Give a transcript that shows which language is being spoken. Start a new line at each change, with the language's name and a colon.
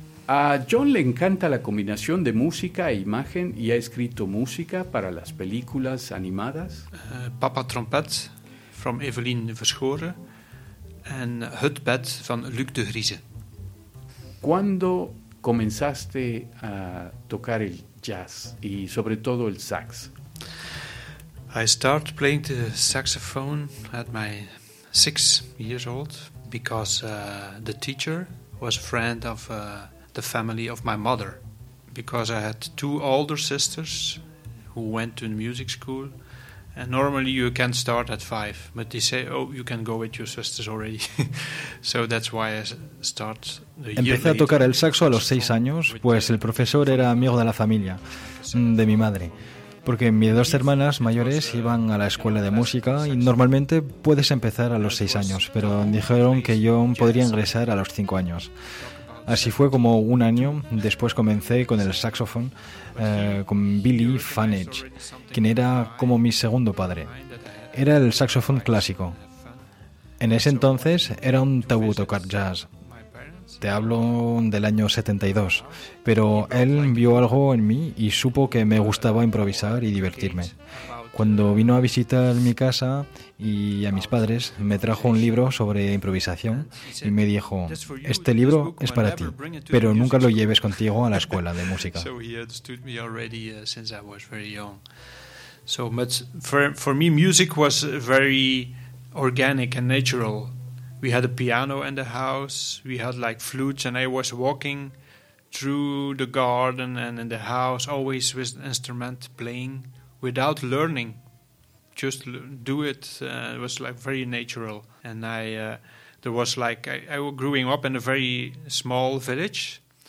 Spanish: A John le encanta la combinación de música e imagen y ha escrito música para las películas animadas
English: Papa Trompet from Evelien Verschoren and Hutbed van Luc de Grieze.
Spanish: ¿Cuándo comenzaste a tocar el jazz y sobre todo el sax?
English: I started playing the saxophone at my 6 years old because the teacher was a friend of the family of my mother. Because I had two older sisters who went to the music school, and normally you can start at 5, but they say, oh, you can go with your sisters already. So that's why I start.
Spanish: Empecé a tocar el saxo a los 6 años, pues el profesor era amigo de la familia, de mi madre, porque mis dos hermanas mayores iban a la escuela de música y normalmente puedes empezar a los 6 años, pero dijeron que yo podría ingresar a los 5 años. Así fue como un año después comencé con el saxofón con Billy Fanage, quien era como mi segundo padre. Era el saxofón clásico. En ese entonces era un tabú tocar jazz. Te hablo del año 72, pero él vio algo en mí y supo que me gustaba improvisar y divertirme. Cuando vino a visitar mi casa y a mis padres, me trajo un libro sobre improvisación y me dijo, este libro es para ti, pero nunca lo lleves contigo a la escuela de música.
English: We had a piano in the house, we had like flutes, and I was walking through the garden and in the house always with instrument playing without learning, just do it. It was like very natural. And I there was like I was growing up in a very small village.